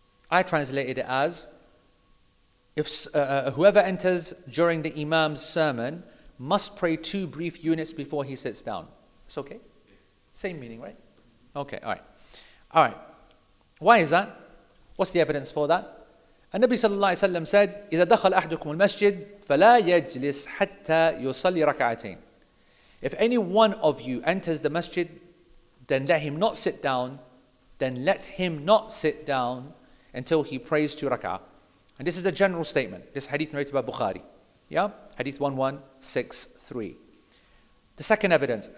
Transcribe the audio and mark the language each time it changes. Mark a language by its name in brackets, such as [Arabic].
[English] I translated it as, if whoever enters during the imam's sermon must pray two brief units before he sits down. It's okay? Same meaning, right? Okay, all right. All right. Why is that? What's the evidence for that? And Nabi sallallahu alayhi wa sallam said, [Arabic] إِذَا دَخَلَ أَحْدُكُمُ الْمَسْجِدْ فَلَا يَجْلِسْ حَتَّى يُصَلِّ رَكَعَتَيْنِ. [English] If any one of you enters the masjid, then let him not sit down, then let him not sit down until he prays two rak'ah. And this is a general statement. This hadith narrated by Bukhari. Yeah? Hadith 1163. The second evidence.